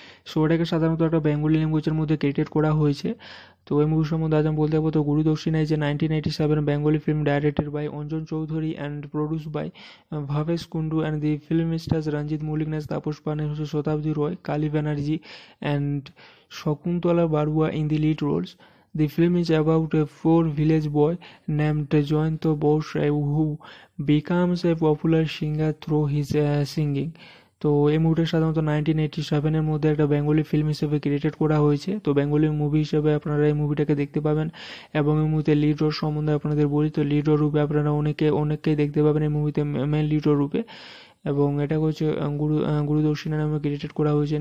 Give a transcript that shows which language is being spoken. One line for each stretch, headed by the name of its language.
Bangla: So এটাকে সাধারণত একটা বেঙ্গলি ল্যাঙ্গুয়েজের মধ্যে ক্রিয়েটেড করা হয়েছে। তো এই মুভি সম্বন্ধে আজ আমি বলতে যাবো, তো গুরুদক্ষিণায় যে 1987 Bengali film,
English: Directed by Anjan Chowdhury and produce by Bhabesh Kundu, and the film stars Ranjit Mallick, নেস তাপস পান, হচ্ছে Satabdi Roy, Kali Banerjee and Sakuntala Barua in the lead roles. The film is about a poor village boy named Jayanta Bose who becomes a popular singer through his singing.
Bangla: তো এই মুভিটা সাধারণত 1987 মধ্যে একটা Bengali film হিসেবে created করা হয়েছে। তো বেঙ্গলি মুভি হিসেবে আপনারা এই মুভিটাকে দেখতে পাবেন। এবং এই মুভিতে লিড রোল সম্বন্ধে আপনাদের বলি, তো লিড রোল রূপে আপনারা অনেককেই দেখতে পাবেন এই মুভিতে মেন লিড রোল রূপে। এবং এটা হচ্ছে গুরুদক্ষিণা নামে ক্রিয়েটেড করা হয়েছে।